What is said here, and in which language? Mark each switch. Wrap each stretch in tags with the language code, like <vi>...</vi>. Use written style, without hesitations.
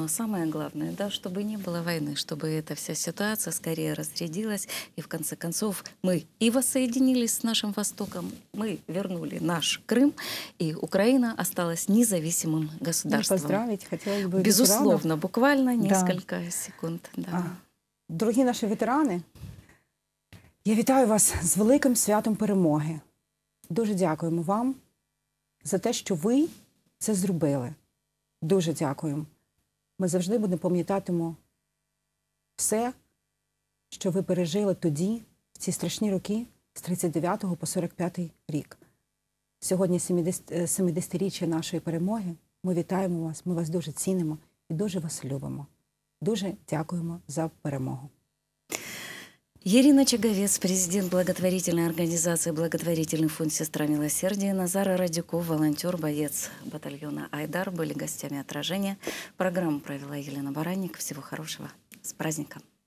<ru>Но самое главное, да, чтобы не было войны, чтобы эта вся ситуация скорее разрядилась. И в конце концов мы и воссоединились с нашим Востоком, мы вернули наш Крым, и Украина осталась независимым государством. И поздравить хотелось бы. Безусловно, ветеранов. Буквально несколько секунд. Да.</ru> <uk>Дорогі наші ветерани, я вітаю вас з великим святом перемоги. Дуже дякуємо вам за те, що ви це зробили. Дуже дякуємо. Ми завжди будемо пам'ятатимо все, що ви пережили тоді, в ці страшні роки, з 39 по 45 рік. Сьогодні 70-річчя нашої перемоги. Ми вітаємо вас, ми вас дуже цінимо і дуже вас любимо. Дуже дякуємо за перемогу.</uk> <ru>Ирина Чаговец, президент благотворительной организации «Благотворительный фонд «Сестра Милосердия», Назара Радюков, волонтер, боец батальона «Айдар», были гостями «Отражения». Программу провела Елена Баранник. Всего хорошего. С праздником.</ru>